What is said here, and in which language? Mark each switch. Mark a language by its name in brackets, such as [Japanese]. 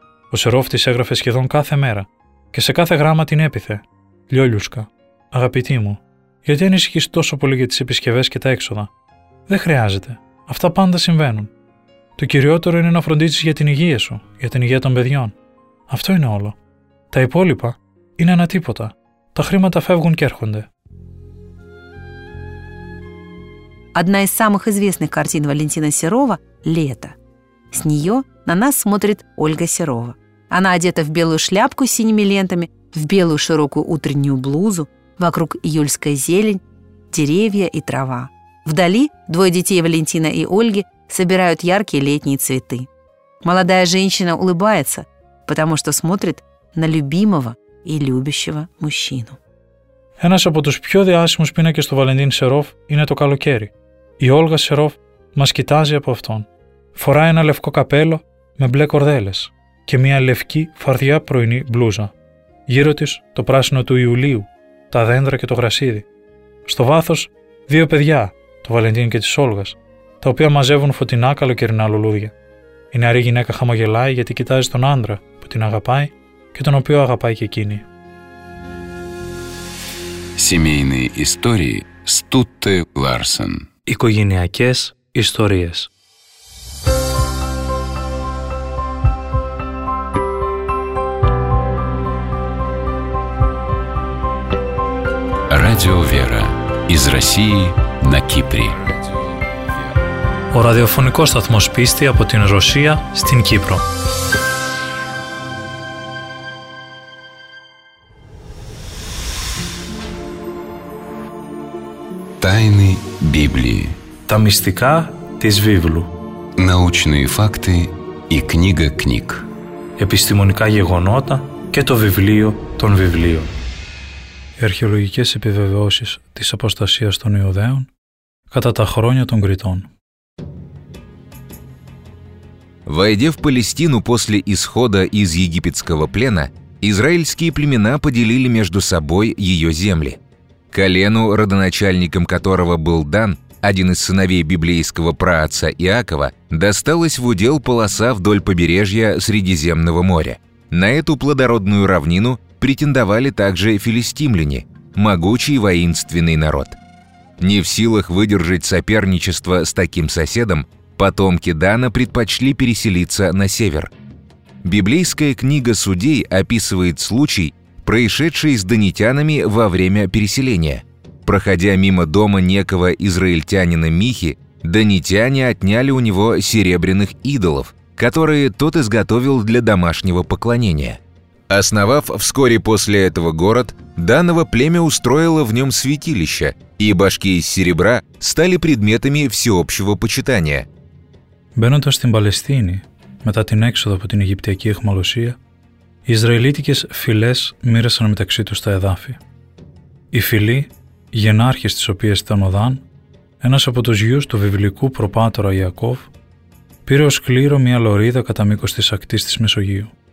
[Greek] Ο Σερόφ της έγραφε σχεδόν κάθε μέρα και σε κάθε γράμμα την έπειθε: «Λιόλιουσκα, αγαπητή μου, γιατί ανησυχείς τόσο πολύ για τις επισκευές και τα έξοδα? Δεν χρειάζεται. Αυτά πάντα συμβαίνουν. Το κυριότερο είναι να φροντίζεις για την υγεία σου, για την υγεία των παιδιών. Αυτό είναι όλο. Τα υπόλοιπα είναι ένα τίποτα. Τα χρήματα φεύγουν και έρχονται». [Russian] Одна из самых известных картин Валентина Серова – «Лето». С нее на нас смотрит Ольга Серова. Она одета в белую шляпку с синими лентами, в белую широкую утреннюю блузу. Вокруг июльская зелень, деревья и трава. Вдали двое детей Валентина и Ольги собирают яркие летние цветы. Молодая женщина улыбается, потому что смотрит на любимого и любящего мужчину. [Greek] Ένας από τους πιο διάσημους πίνακες του Βαλεντίν Σερόφ είναι το καλοκαίρι. Η Όλγα Σερόφ μας κοιτάζει από αυτόν. Φοράει ένα λευκό καπέλο με μπλε κορδέλες και μια λευκή φαρδιά πρωινή μπλούζα. Γύρω της το πράσινο του Ιουλίου, τα δέντρα και το γρασίδι. Στο βάθος, δύο παιδιά, το Βαλεντίν και τη Όλγα, τα οποία μαζεύουν φωτεινά καλοκαιρινά λουλούδια. Η νεαρή γυναίκα χαμογελάει γιατί κοιτάζει τον άντρα που την αγαπάει και τον οποίο αγαπάει και εκείνη. [Russian] Семейные истории Стутте Ларсен. [Greek] Οικογενειακές ιστορίες. [Russian] Радио Вера. Из России на Кипре. [Greek] Ο ραδιοφωνικός σταθμός πίστη από την Ρωσία στην Κύπρο. [Russian] Тайны Библии. [Greek] Τα μυστικά της Βίβλου. [Russian] Научные факты и книга книг. [Greek] Επιστημονικά γεγονότα και το βιβλίο των βιβλίων. Οι αρχαιολογικές επιβεβαιώσεις της αποστασίας των Ιουδαίων κατά τα χρόνια των Κριτών. [Russian] Войдя в Палестину после исхода из египетского плена, израильские племена поделили между собой ее земли. Колену, родоначальником которого был Дан, один из сыновей библейского праотца Иакова, досталась в удел полоса вдоль побережья Средиземного моря. На эту плодородную равнину претендовали также филистимляне – могучий воинственный народ. Не в силах выдержать соперничество с таким соседом, потомки Дана предпочли переселиться на север. Библейская книга Судей описывает случай, происшедший с данитянами во время переселения. Проходя мимо дома некого израильтянина Михи, данитяне отняли у него серебряных идолов, которые тот изготовил для домашнего поклонения. Основав вскоре после этого город, данного племя устроило в нем святилище, и башки из серебра стали предметами всеобщего почитания. [Greek] Мбαίνοντας στην Παλαιστίνη, μετά την έξοδο από την Αιγυπτιακή αιχμαλωσία, οι Ισραηλίτικες φυλές μοίρασαν μεταξύ τους τα εδάφη. Η φυλή, γενάρχες της οποίας ήταν ο Δαν, ένας από τους γιους του βιβλικού προπάτορα Ιακώβ, πήρε ως κλήρο μια λωρίδα κατά μήκος της ακτής της Μεσογείου.